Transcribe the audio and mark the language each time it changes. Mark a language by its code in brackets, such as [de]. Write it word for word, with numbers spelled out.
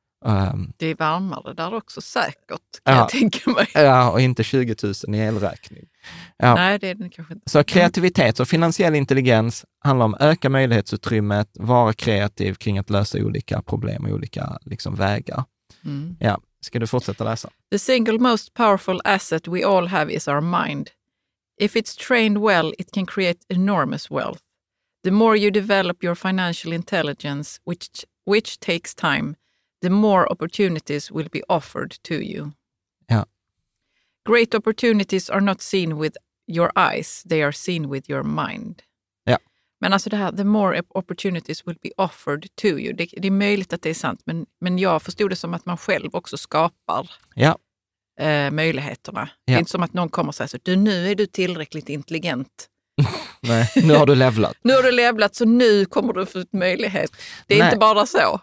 [sv] Um, det är varmare där också säkert, kan ja, jag tänka mig. Ja, och inte tjugo tusen i elräkning. Ja. Nej, det är den kanske inte. Så kreativitet och finansiell intelligens handlar om öka möjlighetsutrymmet, vara kreativ kring att lösa olika problem och olika liksom, vägar. Mm. Ja. Ska du fortsätta läsa? [en] The single most powerful asset we all have is our mind. If it's trained well, it can create enormous wealth. The more you develop your financial intelligence, which, which takes time, the more opportunities will be offered to you. [sv] Ja. [en] Great opportunities are not seen with your eyes, they are seen with your mind. [sv] Ja. Men alltså det här, the more opportunities will be offered to you. Det, det är möjligt att det är sant, men, men jag förstod det som att man själv också skapar ja. eh, möjligheterna. Ja. Det är inte som att någon kommer och säger så, du, nu är du tillräckligt intelligent. Nej, nu har du levlat. Nu har du levlat, så nu kommer du få ut möjlighet. Det är Nej. inte bara så.